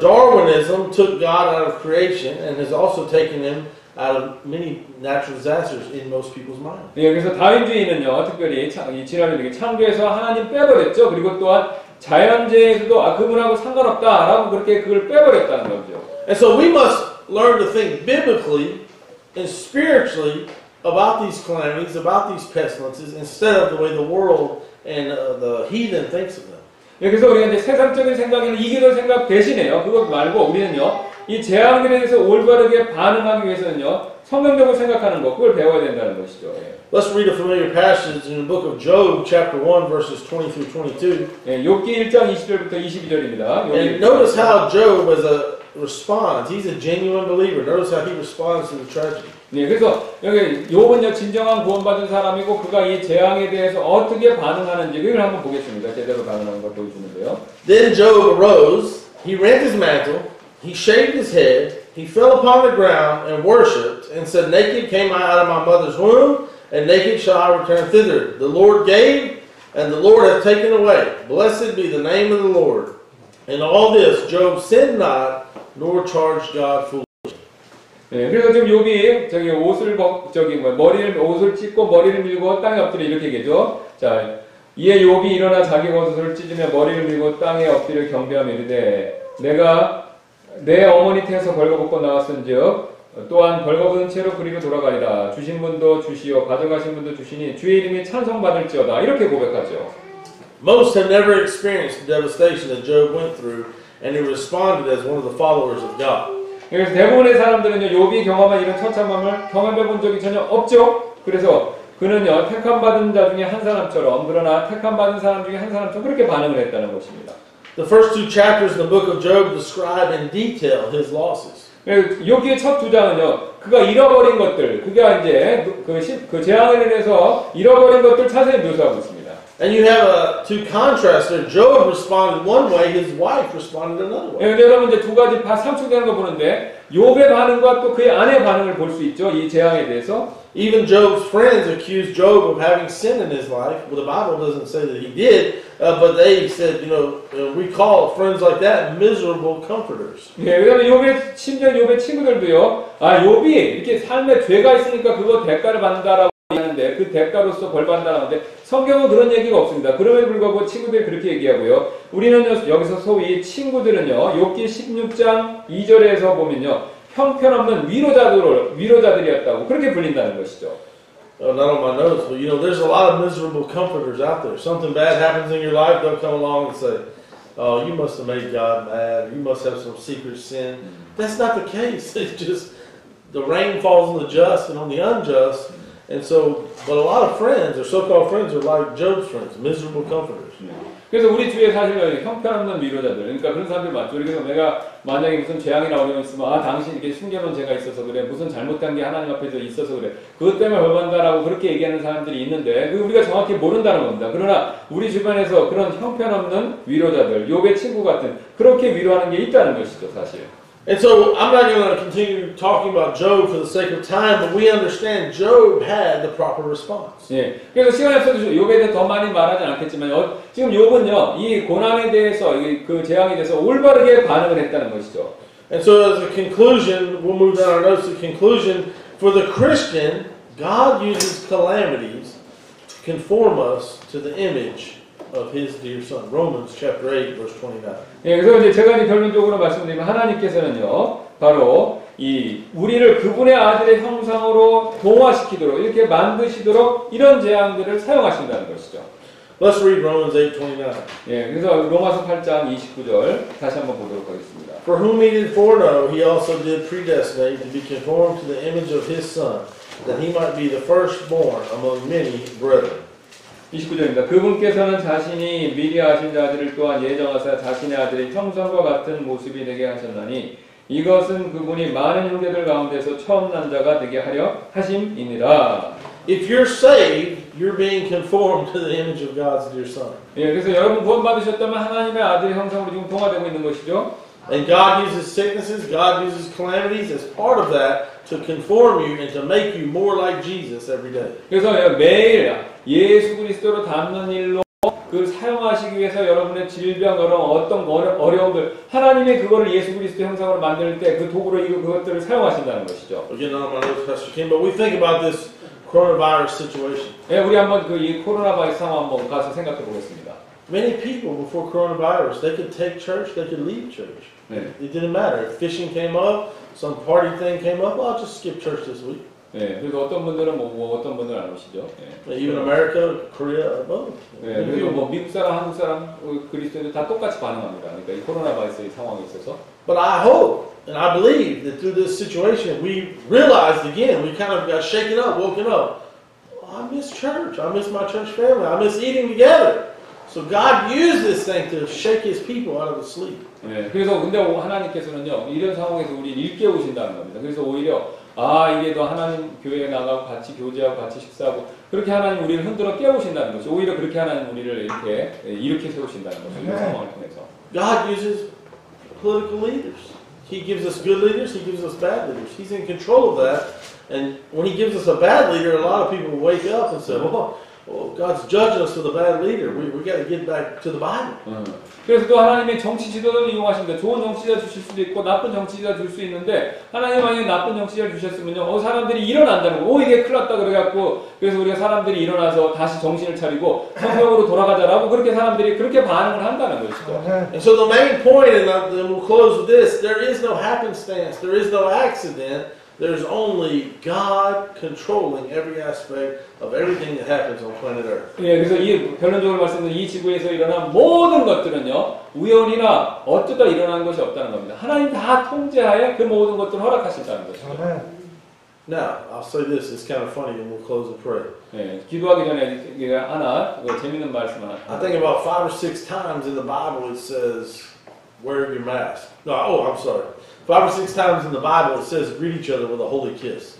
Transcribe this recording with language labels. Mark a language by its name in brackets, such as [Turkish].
[English] Darwinism took God out of creation and has also taken him out of many natural disasters in most people's minds. [Korean] 예, 그래서 다윈주의는요, 특별히 창조에서 하나님 빼버렸죠. 그리고 또한 자연재해도 그분하고 상관없다라고 그렇게 그걸 빼버렸다는 거죠. [English] And so we must learn to think biblically and spiritually about these calamities, about these pestilences, instead of the way the world and the heathen thinks of them. [Korean] 예, 그래서 우리가 이제 세상적인 생각이나 이기적인 생각 대신에요. 그것 말고 우리는요. 이 재앙들에 대해서 올바르게 반응하기 위해서는요. 성경적으로 생각하는 것, 그걸 배워야 된다는 것이죠. 예. [English] Let's read a familiar passage in the book of Job, chapter 1, verses 20 through 22. [Korean] 욥기 1장 20절부터 22절입니다. [English] And notice how Job was a responds. He's a genuine believer. Notice how he responds to the tragedy. [Korean] 네, 그래서 여기 요번에 진정한 구원받은 사람이고 그가 이 재앙에 대해서 어떻게 반응하는지 그걸 한번 보겠습니다. 제대로 반응하는 걸 보여주는데요. [English] Then Job arose, he rent his mantle, he shaved his head, he fell upon the ground and worshipped, and said, Naked came I out of my mother's womb, and naked shall I return thither. The Lord gave, and the Lord hath taken away. Blessed be the name of the Lord. In all this, Job sinned not, nor charged God foolishly. [Korean] 네, 그래서 지금 욥이 저기 옷을 저기 뭐 머리를 옷을 찢고 머리를 밀고 땅에 엎드려 이렇게 얘기죠. 자, 이에 욥이 일어나 자기 옷을 찢으며 머리를 밀고 땅에 엎드려 경배하며 이르되 내가 내 어머니 태에서 벌거벗고 나왔은즉 또한 벌거벗은 채로 그리로 돌아가리라. 주신 분도 주시오 가져가신 분도 주시니 주의 이름이 찬송받을지어다. 이렇게 고백하죠. [English] Most have never experienced the devastation that Job went through, and he responded as one of the followers of God. [Korean] 그래서 대부분의 사람들은요, 욥이 경험한 이런 처참함을 경험해 본 적이 전혀 없죠. 그래서 그는요, 택함 받은 자 중에 한 사람처럼, 그러나 택함 받은 사람 중에 한 사람처럼 그렇게 반응을 했다는 것입니다. [English] The first two chapters in the book of Job describe in detail his losses. [Korean] 욥기의 첫 두 장은요, 그가 잃어버린 것들, 그가 이제 그 재앙을 인해서 잃어버린 것들 자세히 묘사하고 있습니다. [English] And you have two contrasts. Job responded one way, his wife responded another way. [Korean] 예, 여러분 이제 두 가지 상충되는 거 보는데 욥의 반응과 또 그의 아내 반응을 볼 수 있죠. 이 재앙에 대해서. [English] Even Job's friends accused Job of having sin in his life. Well, the Bible doesn't say that he did, but they said, you know, we call friends like that miserable comforters. [Korean] 예, 그다음에 욥의 심지어 욥의 친구들도요. 아, 욥이 이렇게 삶에 죄가 있으니까 그거 대가를 받는다라고 하는데 그 대가로서 벌 받는다는데 성경은 그런 얘기가 없습니다. 그럼에도 불구하고 친구들이 그렇게 얘기하고요. 우리는 여기서 소위 친구들은요. 욥기 16장 2절에서 보면요. 형편없는 위로자들이었다고 그렇게 불린다는 것이죠. [English] Not on my nose, but you know there's a lot of miserable comforters out there. Something bad happens in your life, they'll come along and say, "Oh, you must have made God mad. You must have some secret sin." That's not the case. It's just the rain falls on the just and on the unjust. And so, but a lot of friends, or so-called friends, are like Job's friends, miserable comforters. [Korean] 그래서 우리 주위에 사실 형편없는 위로자들, 그러니까 그런 사람들 많죠. 그래서 내가 만약에 무슨 재앙이나 어려움이 있으면, 아, 당신 이렇게 숨겨놓은 죄가 있어서 그래, 무슨 잘못한 게 하나님 앞에서 있어서 그래, 그것 때문에 벌받는다라고 그렇게 얘기하는 사람들이 있는데, 우리가 정확히 모른다는 겁니다. 그러나 우리 주변에서 그런 형편없는 위로자들, 욥의 친구 같은 그렇게 위로하는 게 있다는 것이죠, 사실. [English] And so I'm not going to continue talking about Job for the sake of time, but we understand Job had the proper response. [Korean] 예, 그래서 시간이 없어서 욥에 대해 더 많이 말하지 않겠지만 지금 욥은요 이 고난에 대해서 그 재앙에 대해서 올바르게 반응을 했다는 것이죠. [English] And so as a conclusion, we'll move down our notes to conclusion. For the Christian, God uses calamities to conform us to the image of His dear Son. Romans chapter 8, verse 29. [Korean] 예, 그래서 이제 제가 이제 결론적으로 말씀드리면 하나님께서는요, 바로 이 우리를 그분의 아들의 형상으로 동화시키도록 이렇게 만드시도록 이런 재앙들을 사용하신다는 것이죠. [English] Let's read Romans 8, 29. [Korean] 예, 그래서 로마서 8장 29절 다시 한번 보도록 하겠습니다. [English] For whom He did foreknow, He also did predestinate to be conformed to the image of His Son, that He might be the firstborn among many brethren. [Korean] 29절입니다. 그분께서는 자신이 미리 아신 자들을 또한 예정하사 자신의 아들이 형상과 같은 모습이 되게 하셨나니 이것은 그분이 많은 형제들 가운데서 처음 난 자가 되게 하려 하심이니라. [English] If you're saved, you're being conformed to the image of God's dear Son. [Korean] 예, 그래서 여러분 구원 받으셨다면 하나님의 아들의 형상으로 지금 통화되고 있는 것이죠. [English] And God uses sicknesses, God uses calamities as part of that to conform you and to make you more like Jesus every day. [Korean] 그래서 매일 예수 그리스도로 닮는 일로 그걸 사용하시기 위해서 여러분의 질병으로 어떤 어려움들 하나님의 그거를 예수 그리스도 형상으로 만들 때 그 도구로 이거 그것들을 사용하신다는 것이죠. [English] Again, I'm not with Pastor Kim, but we think about this coronavirus situation. [Korean] 예, 우리 한번 그 이 코로나 바이러스 상황 한번 가서 생각해 보겠습니다. [English] Many people before coronavirus, they could take church, they could leave church. [Korean] 네. [English] It didn't matter. If fishing came up, some party thing came up, I'll just skip church this week. [Korean] 네, 그리고 어떤 분들은 뭐 어떤 분들은 안 오시죠. 네. [English] Even America, Korea, both. [Korean] 네, 그리고 뭐 미국 사람, 한국 사람, 그리스도인들 다 똑같이 반응합니다. 그러니까 이 코로나 바이러스의 상황에 있어서. [English] But I hope and I believe that through this situation, we realized again, we kind of got shaken up, woken up. Oh, I miss church. I miss my church family. I miss eating together. So God used this thing to shake His people out of the sleep. [Korean] 네, 그래서 근데 하나님께서는요 이런 상황에서 우리 일깨우신다는 겁니다. 그래서 오히려 아 이게 또 하나님 교회에 나가고 같이 교제하고 같이 식사하고 그렇게 하나님 우리를 흔들어 깨우신다는 거죠. 오히려 그렇게 하나님 우리를 이렇게 일으켜 세우신다는 거죠. 이런 상황을 통해서. [English] God uses political leaders. He gives us good leaders. He gives us bad leaders. He's in control of that. And when He gives us a bad leader, a lot of people wake up and say, "Well, God's judging us for the bad leader. We got to get back to the Bible." [Korean] 그래서 또 하나님의 정치 지도를 이용하신다. 좋은 정치자 주실 수도 있고 나쁜 정치자 줄 수 있는데 하나님 만약에 나쁜 정치자 주셨으면요, 사람들이 일어난다면, 이게 큰일 났다 그래갖고 그래서 우리가 사람들이 일어나서 다시 정신을 차리고 성경으로 돌아가자라고 그렇게 사람들이 그렇게 반응을 한다는 것이죠. [English] And so the main point, and we'll close with this: there is no happenstance, there is no accident. There's only God controlling every aspect of everything that happens on planet Earth. [Korean] 예, 그래서 이 결론적으로 말씀드리면 이 지구에서 일어난 모든 것들은요 우연이나 어쩌다 일어난 것이 없다는 겁니다. 하나님 다 통제하여 그 모든 것들을 허락하신다는 거죠. [English] Now, I'll say this. It's kind of funny, and we'll close the prayer. [Korean] 예, 기도하기 전에 하나 재밌는 말씀 하나. [English] I think about 5 or 6 times in the Bible it says, "Wear your mask." No, oh, I'm sorry. 5 or 6 times in the Bible it says greet each other with a holy kiss.